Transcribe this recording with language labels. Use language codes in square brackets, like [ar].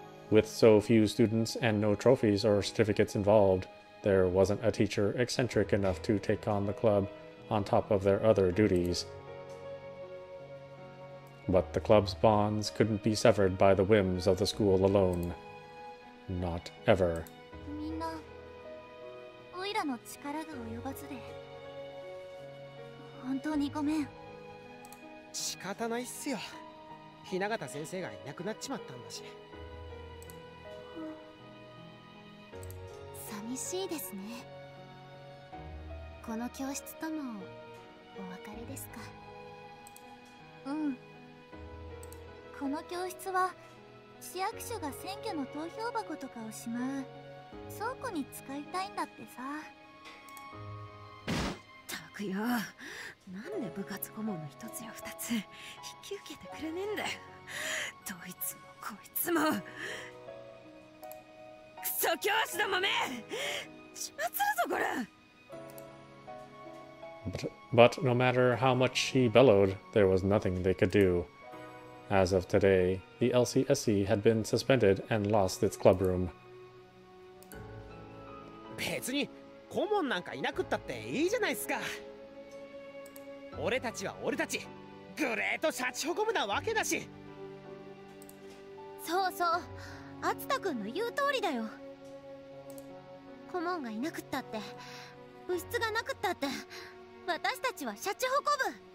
[en] With so few students and no trophies or certificates involved, there wasn't a teacher eccentric enough to take on the club on top of their other duties. But the club's bonds couldn't be severed by the whims of the school alone. Not ever. [ja] オイラの力が及ばずで本当にごめん。仕方ないっすよ、雛形先生がいなくなっちまったんだし。寂しいですね。この教室とのお別れですか。うん、この教室は市役所が選挙の投票箱とかをしまう倉庫に使いたいんだってさ。ったくよ、なんで部活顧問の一つや二つ引き受けてくれねえんだよ。どいつもこいつもクソ教師どもめ、始末するぞこれ。 [en] But no matter how much she bellowed, there was nothing they could do. As of today, the LCSE had been suspended and lost its club room. [ja] 別に顧問なんかいなくったっていいじゃないですか。俺たちは俺たち、グレートシャチホコ部なわけだし。そうそう、アツタ君の言う通りだよ。顧問がいなくったって、部室がなくったって、私たちはシャチホコ部。